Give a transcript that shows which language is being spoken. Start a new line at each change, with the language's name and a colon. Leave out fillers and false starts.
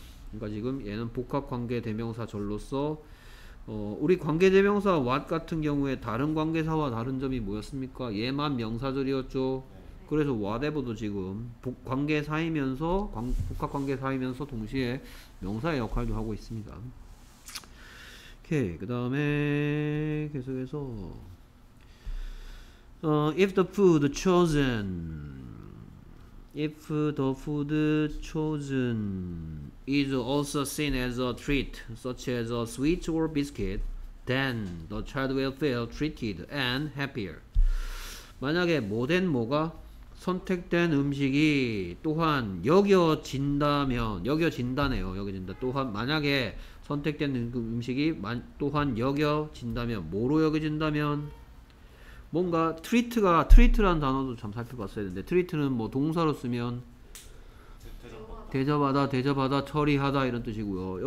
Korean: 그러니까 지금 얘는 복합관계 대명사 절로서 우리 관계 대명사 what 같은 경우에 다른 관계사와 다른 점이 뭐였습니까? 얘만 명사절이었죠. 그래서 whatever도 지금 관계사이면서 복합관계사이면서 동시에 명사의 역할도 하고 있습니다. 오케이, 그 다음에 계속해서
English: if the food chosen if the food chosen is also seen as a treat such as a sweet or biscuit then the child will feel treated and happier.
Korean: 만약에 뭐든 뭐가 선택된 음식이 또한 여겨진다면 여겨진다네요. 여겨진다. 또한 만약에 선택된 음식이 또한 여겨진다면 뭐로 여겨진다면 뭔가 트리트가 트리트라는 단어도 참 살펴봤어야 했는데 트리트는 뭐 동사로 쓰면 대접하다 대접하다 처리하다 이런 뜻이고요.